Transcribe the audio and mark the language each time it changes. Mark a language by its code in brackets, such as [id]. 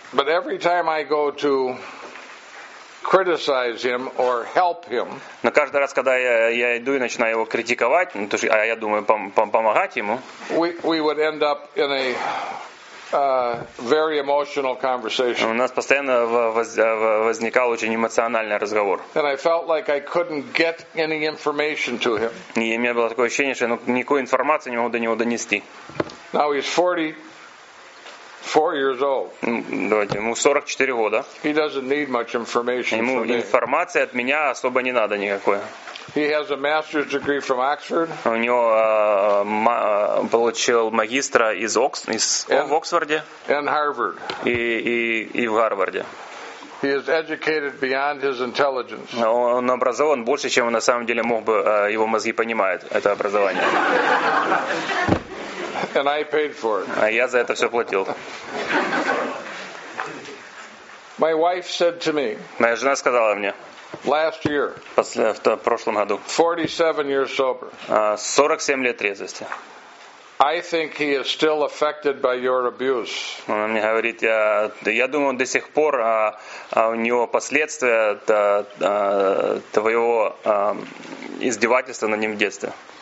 [en] But every time I go to criticize him or help him. [ru] Но каждый раз, когда я иду и начинаю его критиковать, ну, то есть, а я думаю помогать ему. [en] We would end up in a very emotional conversation. [ru] У нас постоянно возникал очень эмоциональный разговор. [en] And I felt like I couldn't get any information to him. [ru] И у меня было такое ощущение, что я никакой информации не могу до него донести. [en] Now he's 44 years old. [ru] Давайте, ему 44 года. [en] He doesn't need much information. [ru] Ему информации от меня особо не надо никакой. [en] He has a master's degree from Oxford. [ru] У него получил магистра в Оксфорде. [en] And Harvard. [ru] И в Гарварде. [en] He is educated beyond his intelligence. [ru] Он образован больше, чем он на самом деле мог бы, его мозги понимают это образование. [en] And I paid for it. [ru] А я за это все платил. [en] My wife said to me. [ru] Моя жена сказала мне. [en] Last year. [ru] В прошлом году. [en] 47 years sober. [ru] 47 лет трезвости. [en] I think he is still affected by your abuse. [ru] Она мне говорит, я думаю, он до сих пор у него последствия твоего издевательства над ним в детстве.